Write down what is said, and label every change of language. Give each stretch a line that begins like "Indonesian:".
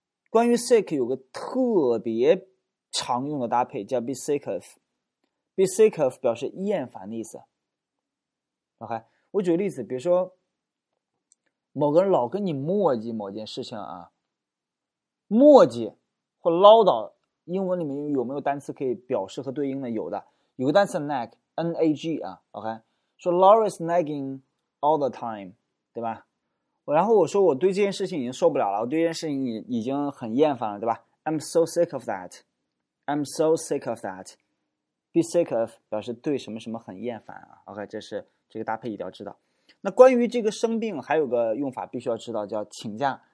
Chinese: 关于 sick 有个特别常用的搭配叫 be sick of，be sick of 表示厌烦的意思。 OK，我举个例子，比如说。某个人老跟你磨叽某件事情啊，磨叽或唠叨，英文里面有没有单词可以表示和对应的？有的，有个单词 nag，NAG 啊，OK，说
English: Laura's nagging all the time，
Chinese: 对吧？然后我说我对这件事情已经受不了了，我对这件事情已经很厌烦了，对吧？
English: I'm so sick of that，
Chinese: I'm so sick of that，be sick of 表示对什么什么很厌烦啊，OK，这是这个搭配一定要知道。那关于这个生病，还有个用法必须要知道，叫请假。